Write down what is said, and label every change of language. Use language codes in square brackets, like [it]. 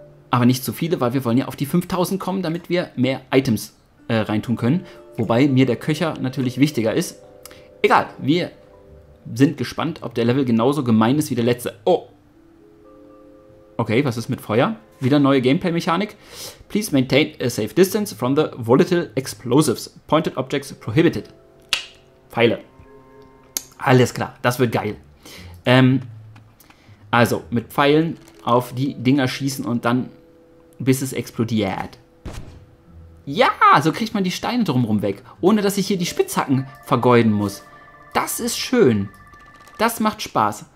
[de] Aber nicht zu viele, weil wir wollen ja auf die 5000 kommen, damit wir mehr Items reintun können. Wobei mir der Köcher natürlich wichtiger ist. Egal, wir sind gespannt, ob der Level genauso gemein ist wie der letzte. Oh! Okay, was ist mit Feuer? Wieder neue Gameplay-Mechanik. [en] Please maintain a safe distance from the volatile explosives. Pointed objects prohibited. [de] Pfeile. Alles klar, das wird geil. Also, mit Pfeilen auf die Dinger schießen und dann, bis es explodiert. Ja, so kriegt man die Steine drumherum weg, ohne dass ich hier die Spitzhacken vergeuden muss. Das ist schön. Das macht Spaß.